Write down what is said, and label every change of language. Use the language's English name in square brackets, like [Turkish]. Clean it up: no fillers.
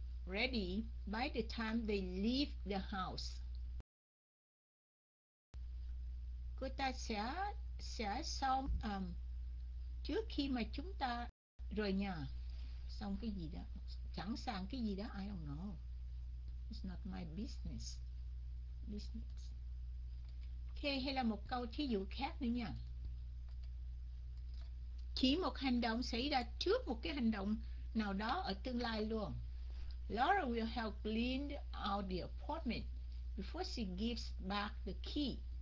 [English] ready by the time they leave the house. [Vietnamese] Cô ta sẽ xong trước khi mà chúng ta rời nhà. Xong cái gì đó, chẳng sang cái gì đó, [English] I don't know. It's not my business. [Vietnamese] Okay, hay là một câu thí dụ khác nữa nha. Chỉ một hành động xảy ra trước một cái hành động nào đó ở tương lai luôn. [English] Laura will help clean out the apartment before she gives back the key.